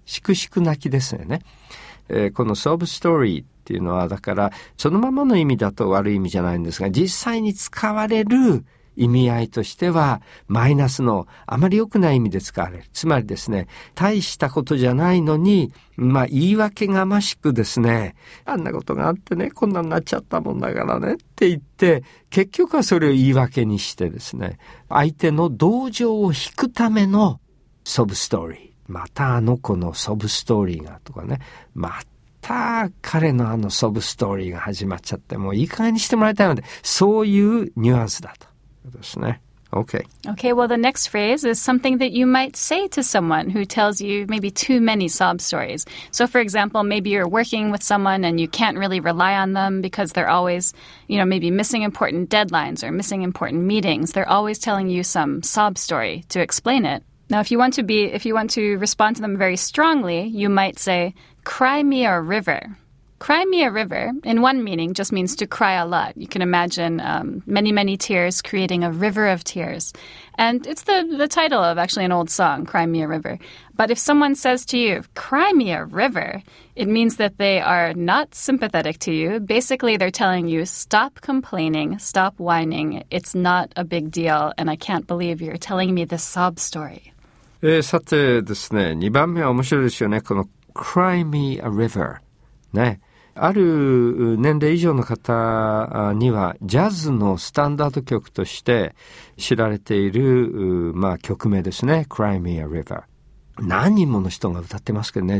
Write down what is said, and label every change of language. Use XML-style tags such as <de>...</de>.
<ja>しくしく泣きですよね。この sob story っていうのは、だからそのままの意味だと悪い意味じゃないんですが、実際に使われる意味合いとしてはマイナスの、あまり良くない意味で使われる。つまりですね、大したことじゃないのに、まあ言い訳がましくですね、あんなことがあってね、こんなになっちゃったもんだからねって言って、結局はそれを言い訳にしてですね、相手の同情を引くためのソブストーリー。またあの子のソブストーリーがとかね、また彼のあのソブストーリーが始まっちゃって、もういい加減にしてもらいたいので、そういうニュアンスだと。</ja> <en>Okay. Okay, well, the next phrase is something that you might say to someone who tells you maybe too many sob stories. So, for example, maybe you're working with someone and you can't really rely on them because they're always, you know, maybe missing important deadlines or missing important meetings. They're always telling you some sob story to explain it. Now, if you want to respond to them very strongly, you might say, cry me a river. Cry me a river, in one meaning, just means to cry a lot. You can imagine many, many tears creating a river of tears. And it's the title of actually an old song, Cry Me a River. But if someone says to you, cry me a river, it means that they are not sympathetic to you. Basically, they're telling you, stop complaining, stop whining. It's not a big deal, and I can't believe you're telling me this sob story.</en> <ja>さてですね、2番目は面白いですよね。この Cry Me a River。ね、ある年齢以上の方にはジャズのスタンダード曲として知られている、まあ、曲名ですね。 Cry Me a River、 何人もの人が歌ってますけどね。</ja>